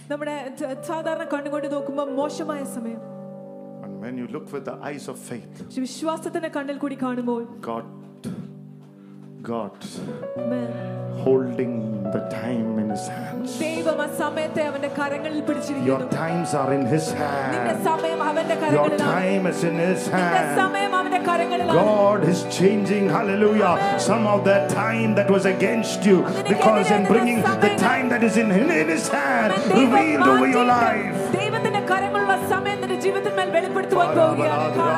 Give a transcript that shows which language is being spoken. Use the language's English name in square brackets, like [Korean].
[Malayalam] നമ്മുടെ സാധാരണ കണ്ണുകൊണ്ട് നോക്കുമ്പോൾ മോശമായ സമയം. [English] And when you look with the eyes of faith, [Malayalam] Shri വിശ്വാസത്തിന്റെ കണ്ണിൽ കൂടി കാണുമ്പോൾ, [English] God holding the time in his hands. [Malayalam] ദൈവം ആ സമയത്തെ അവന്റെ കരങ്ങളിൽ പിടിച്ചിരിക്കുന്നു. [English] Your times are in his hand. [Malayalam] നിന്റെ സമയം അവന്റെ കരങ്ങളിലാണ്. [English] Your time is in his hand. [Malayalam] നിന്റെ സമയം അവന്റെ കരങ്ങളിലാണ്. [English] God is changing, hallelujah, some of that time that was against you, because in bringing the time that is in his hand, revealed over your life. [Malayalam] ദൈവത്തിന്റെ കരങ്ങളുള്ള സമയം നിന്റെ ജീവിതത്തിൽ വെളിപ്പെടുത്തുവാൻ പോവുകയാണ്.